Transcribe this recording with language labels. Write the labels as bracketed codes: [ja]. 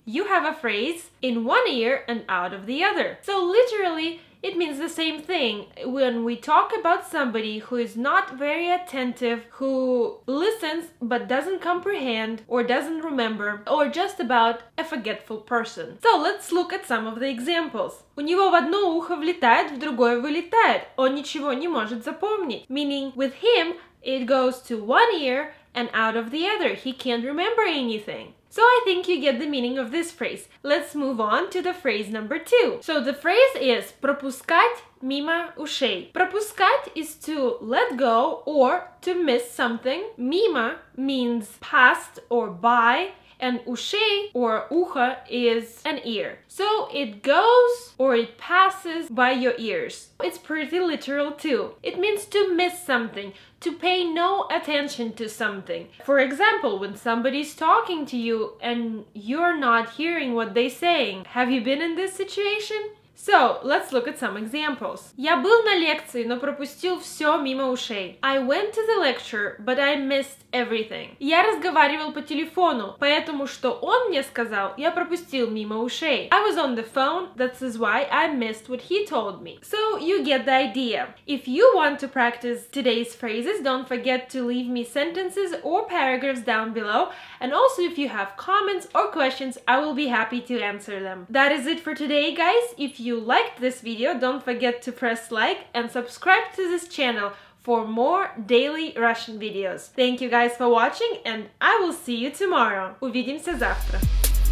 [en] You have a phrase in one ear and out of the other. So literally, it means the same thing. When we talk about somebody who is not very attentive, who listens but doesn't comprehend or doesn't remember, or just about a forgetful person. So let's look at some of the examples. [ru] У него в одно ухо влетает, в другое вылетает. Он ничего не может запомнить. [en] Meaning, with him, it goes to one ear and out of the other. He can't remember anything. So I think you get the meaning of this phrase. Let's move on to the phrase number two. So the phrase is [ru] пропускать мимо ушей. [en] Пропускать is to let go or to miss something. Мимо means past or by, and ушей or ухо is an ear. So it goes or it passes by your ears. It's pretty literal too. It means to miss something, to pay no attention to something. For example, when somebody's talking to you and you're not hearing what they're saying. Have you been in this situation? So, let's look at some examples. [ru] Я был на лекции, но пропустил все мимо ушей. [en] I went to the lecture, but I missed everything. [ru] Я разговаривал по телефону, поэтому что он мне сказал, я пропустил мимо ушей. [en] I was on the phone, that's why I missed what he told me. So, you get the idea. If you want to practice today's phrases, don't forget to leave me sentences or paragraphs down below. And also, if you have comments or questions, I will be happy to answer them. That is it for today, guys. If you liked this video, don't forget to press like and subscribe to this channel for more daily Russian videos. Thank you guys for watching, and I will see you tomorrow. [ru] Увидимся завтра!